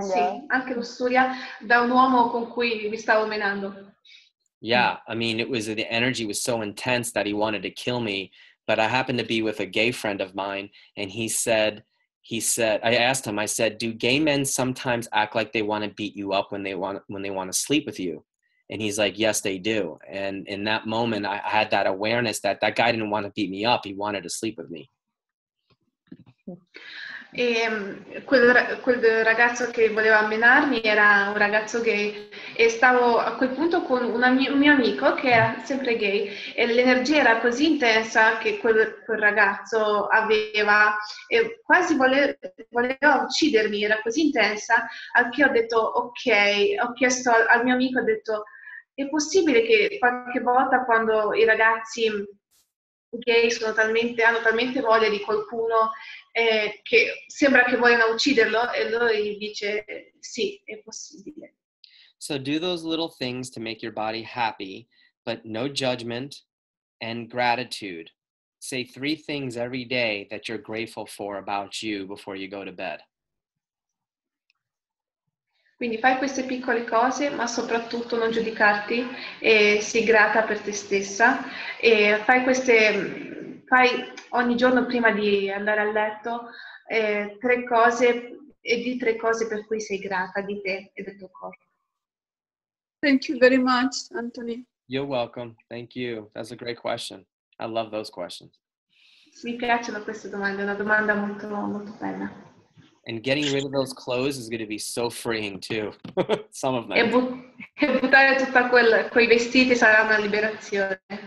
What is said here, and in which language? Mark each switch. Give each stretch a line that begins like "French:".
Italian: Sì, anche lussuria, da un uomo con cui mi stavo menando.
English: Yeah, I mean, it was the energy was so intense that he wanted to kill me. But I happened to be with a gay friend of mine, and he said, I asked him, I said, do gay men sometimes act like they want to beat you up when they want to sleep with you? And he's like, yes, they do. And in that moment, I had that awareness that guy didn't want to beat me up. He wanted to sleep with me.
Italian: E quel ragazzo che voleva menarmi era un ragazzo gay e stavo a quel punto con un mio amico che era sempre gay e l'energia era così intensa che quel ragazzo aveva e quasi voleva uccidermi, era così intensa al che ho detto ok, ho chiesto al mio amico, ho detto è possibile che qualche volta quando i ragazzi gay hanno talmente voglia di qualcuno che sembra che vogliono ucciderlo e lui dice sì, è possibile.
English: So do those little things to make your body happy, but no judgment and gratitude. Say 3 things every day that you're grateful for about you before you go to bed.
Italian: Quindi fai queste piccole cose, ma soprattutto non giudicarti e sii grata per te stessa e fai ogni giorno prima di andare a letto 3 cose e di 3 cose per cui sei grata di te e del tuo corpo.
English: Thank you very much, Anthony. You're welcome. Thank you. That's a great question. I love those questions.
Italian: Mi piacciono queste domande, è una domanda molto molto bella.
English: And getting rid of those clothes is going to be so freeing too. Some of them.
Italian: E buttare tutta quei vestiti sarà una liberazione.